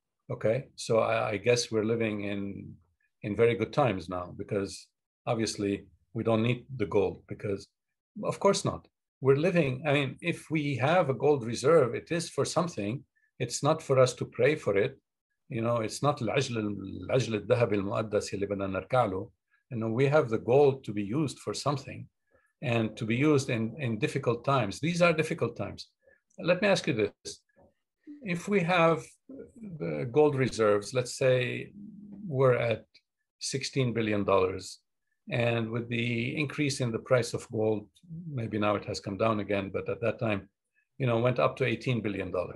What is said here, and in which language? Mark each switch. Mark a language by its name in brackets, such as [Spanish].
[English] Okay, so I guess we're living in very good times now, because obviously we don't need the gold, because of course not. If we have a gold reserve, it is for something. It's not for us to pray for it. You know, it's not [Arabic] العجل الذهب المؤدس اللي بدنا نركعله. [English] And we have the gold to be used for something and to be used in difficult times. These are difficult times. Let me ask you this. If we have the gold reserves, let's say we're at $16 billion, and with the increase in the price of gold, maybe now it has come down again, but at that time, you know, went up to $18 billion.